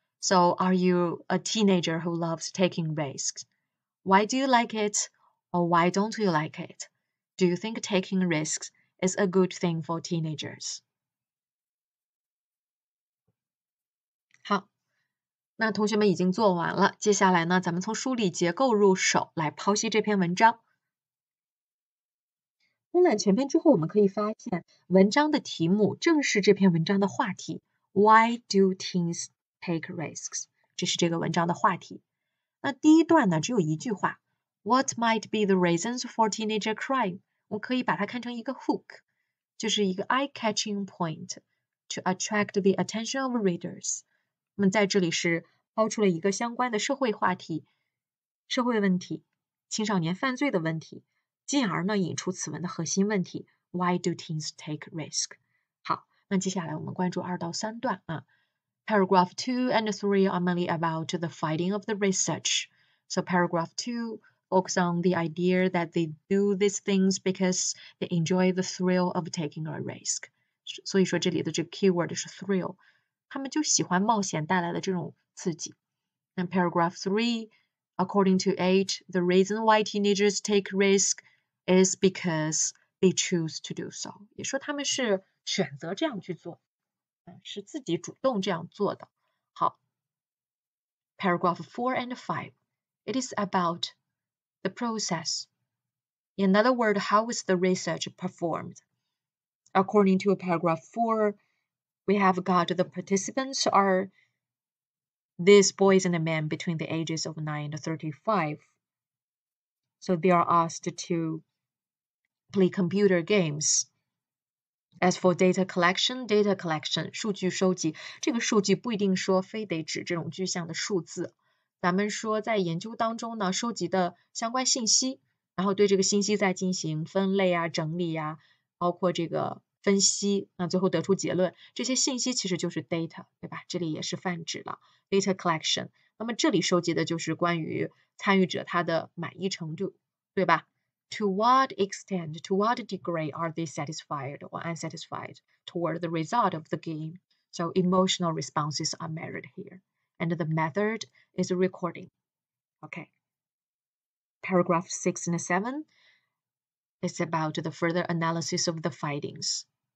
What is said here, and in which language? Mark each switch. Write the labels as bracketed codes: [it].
[en] So are you a teenager who loves taking risks? Why do you like it? Or why don't you like it? Do you think taking risks is a good thing for teenagers? [zh] 那同学们已经做完了，接下来呢，咱们从梳理结构入手来剖析这篇文章。浏览全篇之后，我们可以发现文章的题目正是这篇文章的话题 [en] Why do teens take risks? [zh] 这是这个文章的话题。那第一段呢，只有一句话 [en] What might be the reasons for teenager crime? [zh] 我可以把它看成一个 hook， 就是一个 [en] eye-catching point to attract the attention of readers。 [zh] 那么在这里是抛出了一个相关的社会话题、社会问题、青少年犯罪的问题，进而呢引出此文的核心问题 ： [en] Why do teens take risk？ [zh] 好，那接下来我们关注二到三段啊。 [en] Paragraph 2 and 3 are mainly about the finding of the research. So paragraph 2 focuses on the idea that they do these things because they enjoy the thrill of taking a risk. [zh] 所以说这里的这个 keyword 是 thrill。他们就喜欢冒险带来的这种刺激。 [en] 那 paragraph 3, according to age, the reason why teenagers take risk is because they choose to do so. [zh] 也说他们是选择这样去做，是自己主动这样做的。 [en] 好， paragraph 4 and 5, it is about the process. In other words, how is the research performed? According to paragraph 4,We have got the participants are these boys and men between the ages of 9 and 35. So they are asked to play computer games. As for data collection, [zh] 数据收集，这个数据不一定说非得指这种具象的数字。咱们说在研究当中呢，收集的相关信息，然后对这个信息再进行分类啊、整理啊，包括这个分析，那最后得出结论，这些信息其实就是 data， 对吧？这里也是泛指了 data collection。那么这里收集的就是关于参与者他的满意程度，对吧？ [en] To what extent, to what degree are they satisfied or unsatisfied toward the result of the game? So emotional responses are measured here. And the method is recording. Okay. Paragraph 6 and 7 is about the further analysis of the findings.